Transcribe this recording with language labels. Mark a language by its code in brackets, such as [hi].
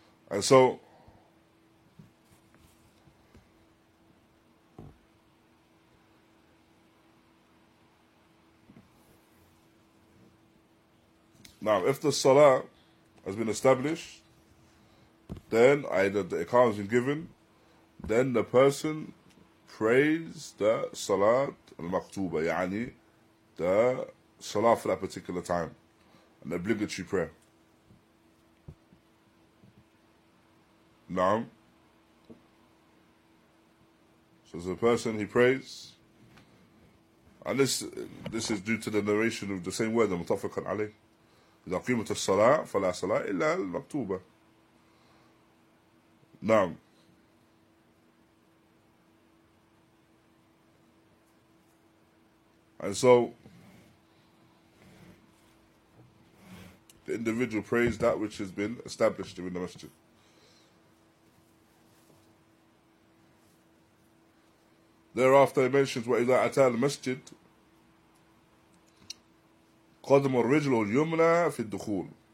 [en] And so, now, if the salah has been established, then either the iqam has been given, then the person prays the salat al-maktuba, yani the salah for that particular time, an obligatory prayer. Now, so the person, he prays, and this is due to the narration of the same word, the mutafakan alayh. [ar] إذا قيمة الصلاة فلا صلاة إلا المكتوبة. نعم. [en] And so the individual prays that which has been established in the masjid. Thereafter he mentions [ar] وإذا أتى المسجد قدم الرجل اليمنى في الدخول